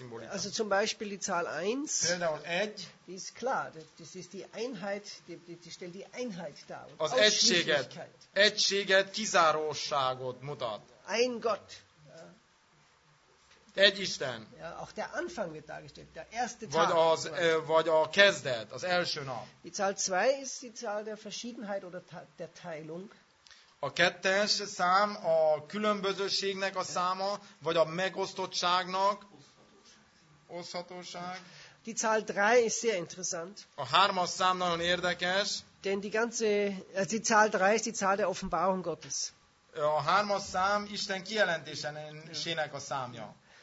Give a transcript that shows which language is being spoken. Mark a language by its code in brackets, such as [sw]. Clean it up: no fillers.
[de] Also zum Beispiel die Zahl 1, die ist klar, das ist die Einheit, die stellt die Einheit dar. [hu] Az egységet, kizárosságot mutat. [de] Ein Gott. [hu] Ja. Egy Isten. [de] Ja, auch der Anfang wird dargestellt, der erste Tag. [hu] Vagy, az, vagy a kezdet, az első nap. [de] Die Zahl 2 ist die Zahl der Verschiedenheit oder der Teilung. [hu] A kettes szám a különbözőségnek a száma, vagy a megosztottságnak. Oszhatóság. [de] Die Zahl 3 ist sehr interessant. [hu] A hármas szám nagyon érdekes. [de] Denn die ganze, also die Zahl 3 ist die Zahl der Offenbarung Gottes. [hu] A hármas szám Isten kijelentésének a számja.